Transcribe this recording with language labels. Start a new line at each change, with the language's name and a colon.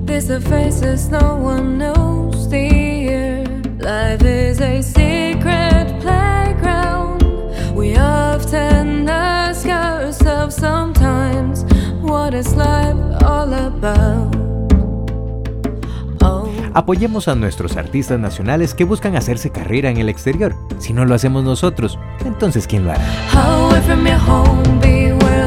English: The faces no one knows dear. Life is a secret playground. We often ask ourselves sometimes, what is life all about?
Spanish: Apoyemos a nuestros artistas nacionales que buscan hacerse carrera en el exterior. Si no lo hacemos nosotros, entonces ¿quién lo hará?
English: Away from your home, be away.